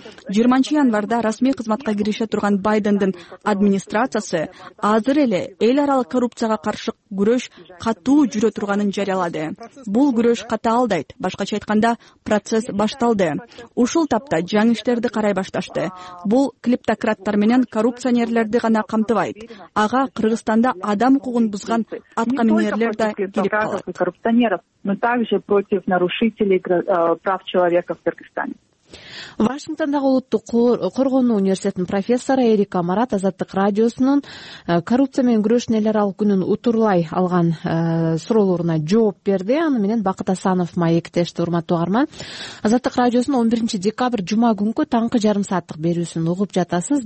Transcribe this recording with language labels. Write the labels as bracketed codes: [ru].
[ky] 20-январда расмий кызматка кирише турган Байдендин администрациясы азыр эле эл аралык коррупцияга каршы күрөш катуу жүрө турганын жарыялады. Бул күрөш катаалдайт. Башкача айтканда, процесс башталды. Ушул тапта жаңы иштерди карай башташты. Бул клептократтар менен коррупционерлерди гана камтыбайт. Ага Кыргызстанда адам укугун бузган аткаминерлер да келип калат. [ru] Но также против нарушителей прав человека в Кыргызстане. [ky] Вашингтондагы улуттук коргоонуу университетинин профессору Эрика Марат Азаттык радиосунун коррупция менен күрөшүн эл аралык күнүн утурлай алган суроолоруна жооп берди. Аны менен Бакыт Асанов маектешти. Урматтуу агарман, Азаттык радиосунун 11-декабрь жума күнкү таңкы жарым сааттык берүүсүн угуп жатасыз.